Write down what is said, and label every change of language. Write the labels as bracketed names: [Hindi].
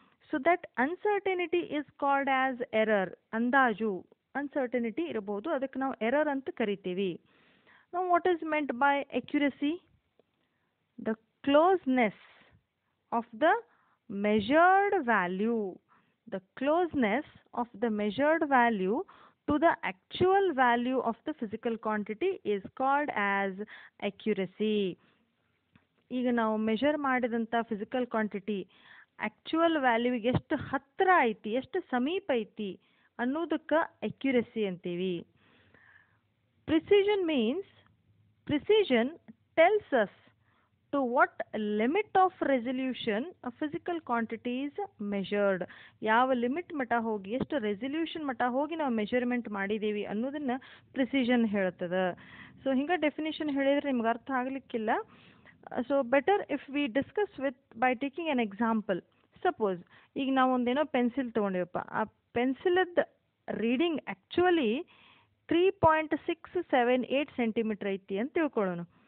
[English] So that uncertainty is called as error. [Kannada] ಅಂದಾಜು uncertainty ಇರಬಹುದು, ಅದಕ್ಕೆ ನಾವು ಎರರ್ ಅಂತ ಕರಿತೀವಿ. [English] ನಾವು what is meant by accuracy? The closeness of the measured value, the closeness of the measured value to the actual value of the physical quantity is called as accuracy. [Kannada] ಈಗ ನಾವು measure ಮಾಡಿದಂಥ physical quantity actual ವ್ಯಾಲ್ಯೂಗೆ ಎಷ್ಟು ಹತ್ತಿರ ಐತಿ, ಎಷ್ಟು ಸಮೀಪ ಐತಿ ಅನ್ನೋದಕ್ಕೆ ಎಕ್ಯುರಸಿ ಅಂತೀವಿ. [English] Precision means precision tells us to what limit of resolution a physical quantity is measured. [Kannada] ಯಾವ ಲಿಮಿಟ್ ಮಟ್ಟ ಹೋಗಿ, ಎಷ್ಟು ರೆಸೊಲ್ಯೂಷನ್ ಮಟ್ಟ ಹೋಗಿ ನಾವು ಮೆಷರ್ಮೆಂಟ್ ಮಾಡಿದ್ದೀವಿ ಅನ್ನೋದನ್ನು ಪ್ರಿಸಿಷನ್ ಹೇಳ್ತದೆ. ಸೊ ಹಿಂಗೆ ಡೆಫಿನೇಷನ್ ಹೇಳಿದರೆ ನಿಮ್ಗೆ ಅರ್ಥ ಆಗಲಿಕ್ಕಿಲ್ಲ. [English] So better if we discuss with by taking an example. [Kannada] Suppose ಈಗ ನಾವೊಂದೇನೋ ಪೆನ್ಸಿಲ್ ತೊಗೊಂಡಿವಪ್ಪ, ಆ ಪೆನ್ಸಿಲದ ರೀಡಿಂಗ್ ಆ್ಯಕ್ಚುವಲಿ 3.678 cm ಐತಿ ಅಂತ ತಿಳ್ಕೊಳ್ಳೋಣ.